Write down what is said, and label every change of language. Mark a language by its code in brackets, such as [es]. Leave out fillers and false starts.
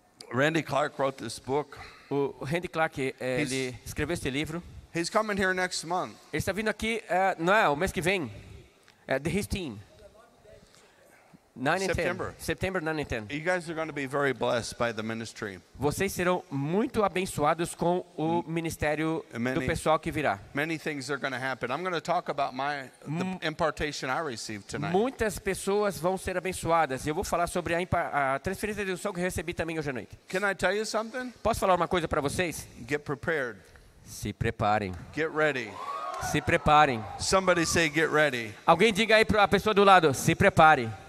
[en] Randy Clark wrote this book. [pt] O Randy Clark, ele escreveu este livro. [en] He's coming here next month. [pt] Ele está vindo aqui, não é, o mês que vem. [en] His team. September 9 and 10. You guys are going to be very blessed by the ministry. [pt] Vocês serão muito abençoados com o ministério do pessoal que virá. [en] Many things are going to happen. I'm going to talk about the impartation I received tonight. [pt] Muitas pessoas vão ser abençoadas. Eu vou falar sobre a transferência de unção que recebi também hoje à noite. [en] Can I tell you something? [pt] Posso falar uma coisa para vocês? [en] Get prepared. [pt] Se preparem. [en] Get ready. [pt] Se preparem. [en] Somebody say get ready. [pt] Alguém diga aí para a pessoa do lado, se prepare.